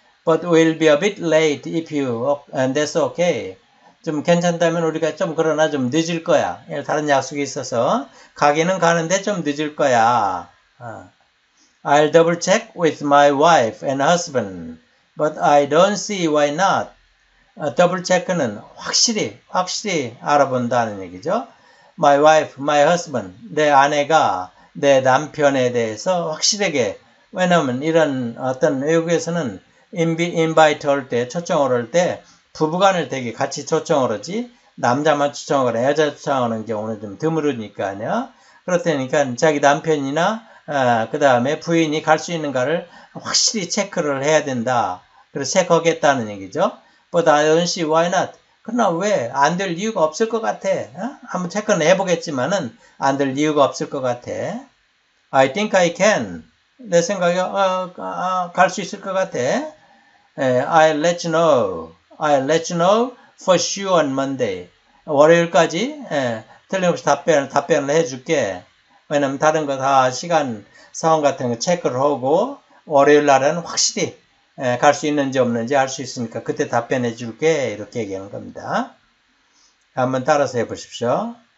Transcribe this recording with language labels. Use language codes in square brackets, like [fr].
[en] But we'll be a bit late if you, and that's okay. [ko] 좀 괜찮다면 우리가 좀 그러나 좀 늦을 거야. 다른 약속이 있어서. 가기는 가는데 좀 늦을 거야. [en] I'll double check with my wife and husband, but I don't see why not. Double check [ko] 는 확실히 알아본다는 얘기죠. [en] My wife, my husband, [ko] 내 아내가 내 남편에 대해서 확실하게, 왜냐면 이런 어떤 외국에서는 invite 할 때, 초청을 할 때, 부부간을 되게 같이 초청을 하지, 남자만 초청을 해, 여자 초청하는 경우는 좀 드물으니까요. 그렇다니까 자기 남편이나, 그 다음에 부인이 갈수 있는가를 확실히 체크를 해야 된다. 그래서 체크하겠다는 얘기죠. [en] But I don't see why not. [ko] 그러나 왜? 안될 이유가 없을 것 같아. 한번 체크는 해보겠지만은, 안될 이유가 없을 것 같아. [en] I think I can. [ko] 내 생각에, 갈수 있을 것 같아. [en] I'll let you know. I'll let you know for sure on Monday. [ko] 월요일까지, 틀림없이 답변을 해줄게. 왜냐면 다른 거다 시간, 상황 같은 거 체크를 하고, 월요일 날에는 확실히, 갈수 있는지 없는지 알수 있으니까 그때 답변해줄게. 이렇게 얘기하는 겁니다. 한번 따라서 해보십시오.